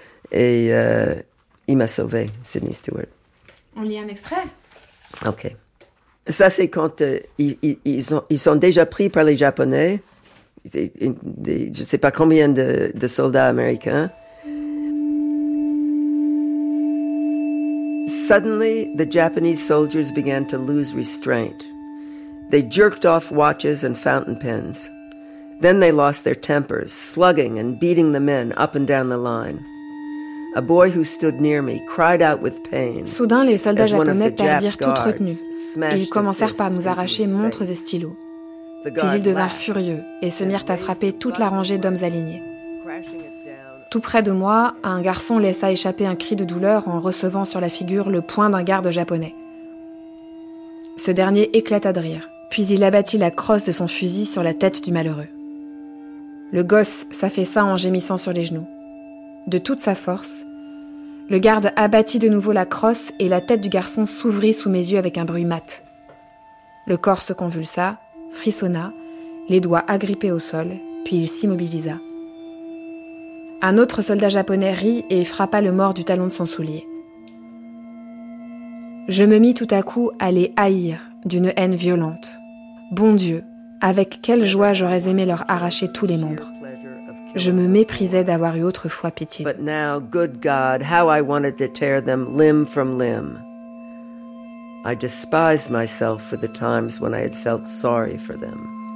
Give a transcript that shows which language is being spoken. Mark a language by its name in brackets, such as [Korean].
[French] Et il m'a sauvé, Sidney Stewart. On lit un extrait? OK. Ça, c'est quand ils sont déjà pris par les Japonais. Je ne sais pas combien de soldats américains. [English] Suddenly, the Japanese soldiers began to lose restraint. They jerked off watches and fountain pens. Then they lost their tempers, slugging and beating the men up and down the line. A boy who stood near me cried out with pain. [French] Soudain, les soldats japonais perdirent toute retenue et ils commencèrent par nous arracher montres et stylos. Puis ils devinrent furieux et se mirent à frapper toute la rangée d'hommes alignés. Tout près de moi, un garçon laissa échapper un cri de douleur en recevant sur la figure le poing d'un garde japonais. Ce dernier éclata de rire, puis il abattit la crosse de son fusil sur la tête du malheureux. Le gosse s'affaissa en gémissant sur les genoux. De toute sa force, le garde abattit de nouveau la crosse et la tête du garçon s'ouvrit sous mes yeux avec un bruit mat. Le corps se convulsa, frissonna, les doigts agrippés au sol, puis il s'immobilisa. Un autre soldat japonais rit et frappa le mort du talon de son soulier. Je me mis tout à coup à les haïr d'une haine violente. Bon Dieu, avec quelle joie j'aurais aimé leur arracher tous les membres. Je me méprisais d'avoir eu autrefois pitié. [English] But now, good God, how I wanted to tear them limb from limb. I despised myself for the times when I had felt sorry for them.